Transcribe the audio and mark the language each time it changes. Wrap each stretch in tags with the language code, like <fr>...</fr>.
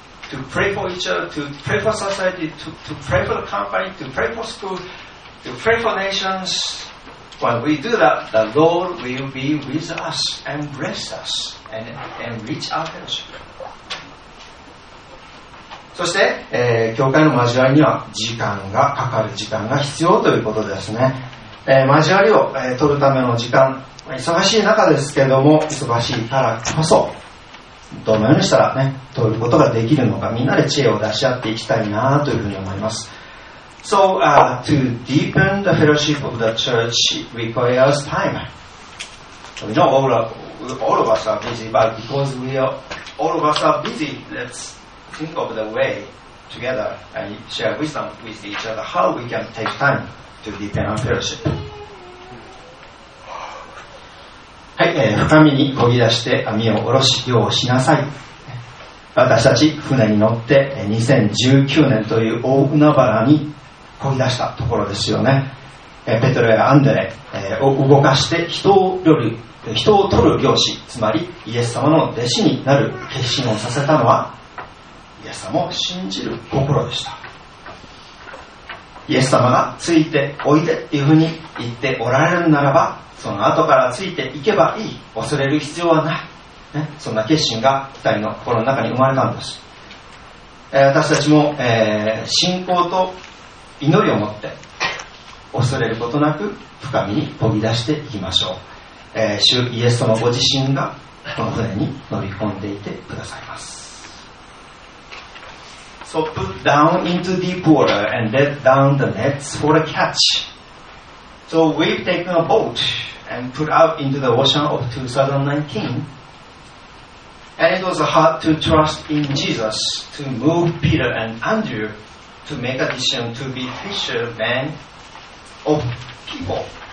<en>To pray for each other, to pray for society, to pray for the company, to pray for school, to pray for nations. When we do that, the Lord will be with us and bless us and enrich our fellowship.</en> <ja>そして、教会の交わりには時間がかかる、時間が必要ということですね。交わりを、取るための時間、忙しい中ですけれども、忙しいからこそ、どのようにしたらね、取ることができるのか、みんなで知恵を出し合っていきたいなというふうに思います。</ja> <en>So, to deepen the fellowship of the church requires time. We know all of us are busy, but because we are, all of us are busy, let's think of the way together and share wisdom with each other how we can take time to deepen our fellowship.</en> <ja>はい、深みにこぎ出して網を下ろし漁をしなさい。私たち船に乗って2019年という大海原にこぎ出したところですよね。ペトロやアンデレを動かして人を取る漁師、つまりイエス様の弟子になる決心をさせたのはイエス様を信じる心でした。イエス様がついておいでというふうに言っておられるならば、その後からついていけばいい、恐れる必要はない、ね、そんな決心が2人の心の中に生まれたんです。私たちも、信仰と祈りを持って恐れることなく深みにこぎ出していきましょう。主イエス様ご自身がこの船に乗り込んでいてくださいます。</ja> <en>So put down into deep water and let down the nets for a catchSo we've taken a boat and put out into the ocean of 2019. And it was hard to trust in Jesus to move Peter and Andrew to make a decision to be fishermen of people.</en>